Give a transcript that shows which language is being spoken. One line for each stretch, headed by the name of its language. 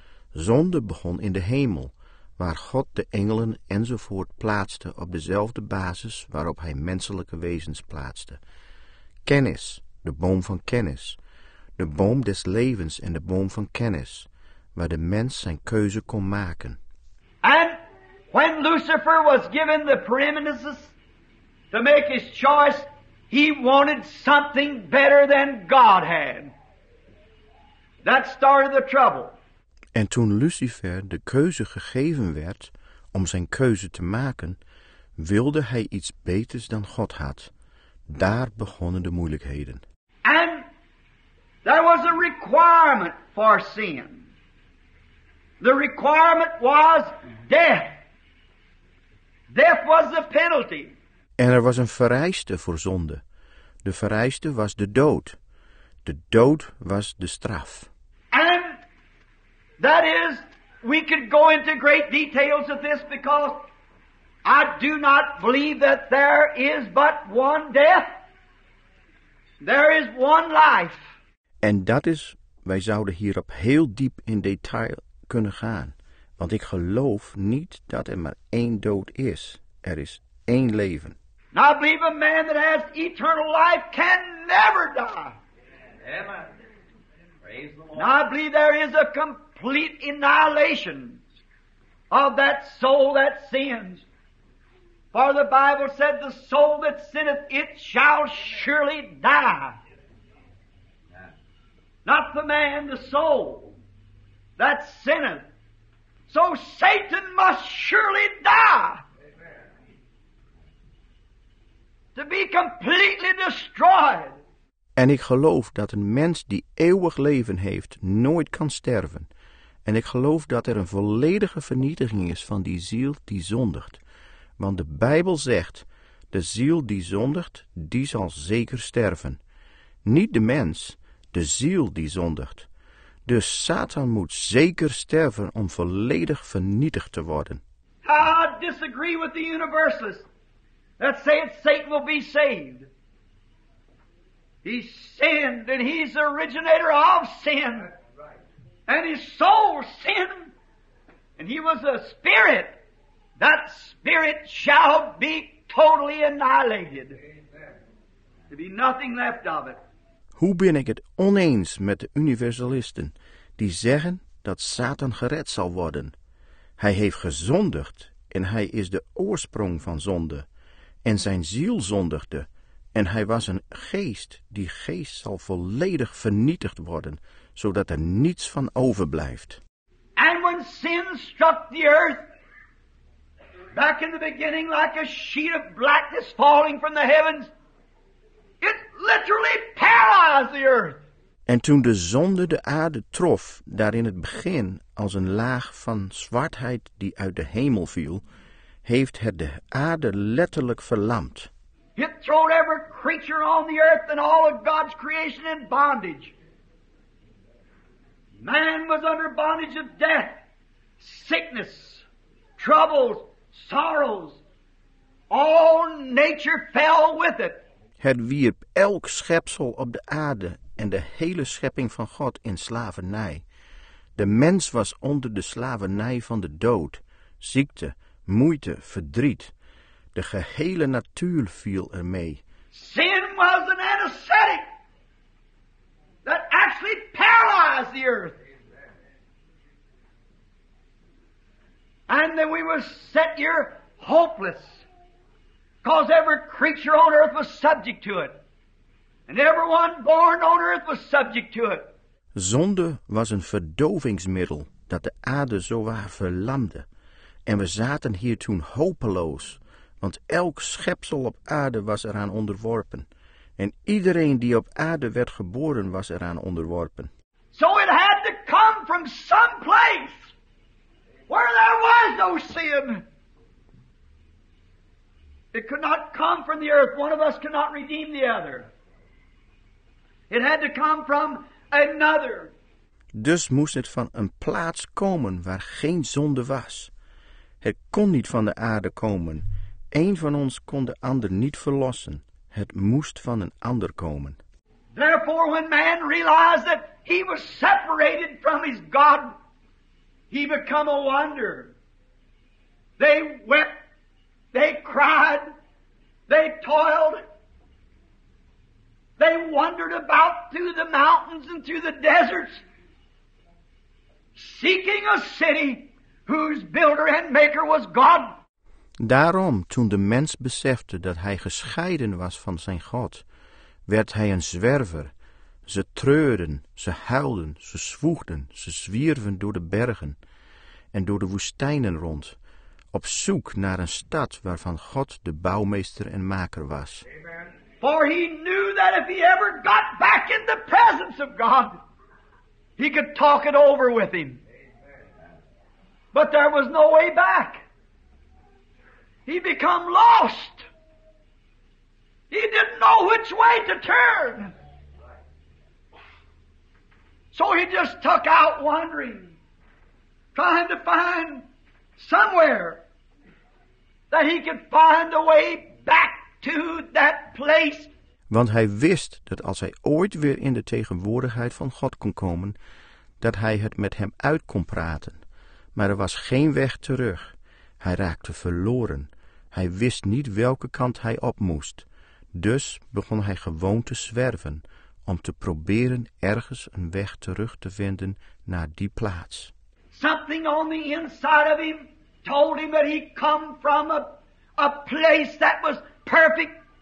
Dutch: Zonde begon in de hemel, waar God de engelen enzovoort plaatste op dezelfde basis waarop hij menselijke wezens plaatste. Kennis, de boom van kennis, de boom des levens en de boom van kennis, waar de mens zijn keuze kon maken.
English: En when Lucifer was given the preeminence to make his choice, he wanted something better than God had. That started the trouble.
Dutch: En toen Lucifer de keuze gegeven werd om zijn keuze te maken, wilde hij iets beters dan God had. Daar begonnen de moeilijkheden.
English: And there was a requirement for sin. The requirement was death. Death was the penalty.
Dutch: En er was een vereiste voor zonde. De vereiste was de dood. De dood was de straf.
English: And that is We could go into great details of this because I do not believe that there is but one death. There is one life.
Dutch: En dat is, wij zouden hierop heel diep in detail kunnen gaan. Want ik geloof niet dat er maar één dood is. Er is één leven.
English: Now I believe a man that has eternal life can never die. Amen. Now I believe there is a complete annihilation of that soul that sins. For the Bible said, the soul that sinneth, it shall surely die. Not the man, the soul that sinneth. So Satan must surely die. Amen. To be completely destroyed.
Dutch: En ik geloof dat een mens die eeuwig leven heeft, nooit kan sterven. En ik geloof dat er een volledige vernietiging is van die ziel die zondigt. Want de Bijbel zegt, de ziel die zondigt, die zal zeker sterven. Niet de mens, de ziel die zondigt. Dus Satan moet zeker sterven om volledig vernietigd te worden.
English: I disagree with the universalists that say that Satan will be saved. He sinned, and he's the originator of sin. And his soul sinned, and he was a spirit. That spirit shall be totally annihilated. There'll be nothing left of it.
Dutch: Hoe ben ik het oneens met de universalisten die zeggen dat Satan gered zal worden? Hij heeft gezondigd, en hij is de oorsprong van zonde. En zijn ziel zondigde. En hij was een geest, die geest zal volledig vernietigd worden, zodat er niets van overblijft.
English: And when sin struck the earth, back in the beginning, like a sheet of blackness falling from the heavens, it literally paralyzed the earth.
Dutch: En toen de zonde de aarde trof, daar in het begin als een laag van zwartheid die uit de hemel viel, heeft het de aarde letterlijk verlamd.
English: It throwed every creature on the earth and all of God's creation in bondage. Man was under bondage of death, sickness, troubles, sorrows. All nature fell with it.
Dutch: Het wierp elk schepsel op de aarde en de hele schepping van God in slavernij. De mens was onder de slavernij van de dood, ziekte, moeite, verdriet. De gehele natuur viel ermee.
English: Sin was an anesthetic that actually paralyzed the earth. And then we were set here hopeless. Because every creature on earth was subject to it. And everyone born on earth was subject to it.
Dutch: Zonde was een verdovingsmiddel dat de aarde zowaar verlamde. En we zaten hier toen hopeloos. Want elk schepsel op aarde was eraan onderworpen. En iedereen die op aarde werd geboren was eraan onderworpen.
English: So it had to come from some place where there was no sin. It could not come from the earth. One of us could not redeem the other. It had to come from another.
Dutch: Dus moest het van een plaats komen waar geen zonde was. Het kon niet van de aarde komen. Eén van ons kon de ander niet verlossen. Het moest van een ander komen.
English: Therefore, when man realized that he was separated from his God, he became a wonder. They wept, they cried, they toiled, they wandered about through the mountains and through the deserts, seeking a city whose builder and maker was God.
Dutch: Daarom, toen de mens besefte dat hij gescheiden was van zijn God, werd hij een zwerver. Ze treurden, ze huilden, ze zwoegden, ze zwierven door de bergen en door de woestijnen rond, op zoek naar een stad waarvan God de bouwmeester en maker was.
English: Amen. For he knew that if he ever got back in the presence of God, he could talk it over with him. Amen. But there was no way back. He became lost. He didn't know which way to turn. So he just took out wandering. trying to find somewhere that he could find a way back to that place.
Dutch: Want hij wist dat als hij ooit weer in de tegenwoordigheid van God kon komen, dat hij het met hem uit kon praten. Maar er was geen weg terug. Hij raakte verloren. Hij wist niet welke kant hij op moest. Dus begon hij gewoon te zwerven, om te proberen ergens een weg terug te vinden naar die plaats.
English: Something on the inside of him told him that he come from a place that was perfect.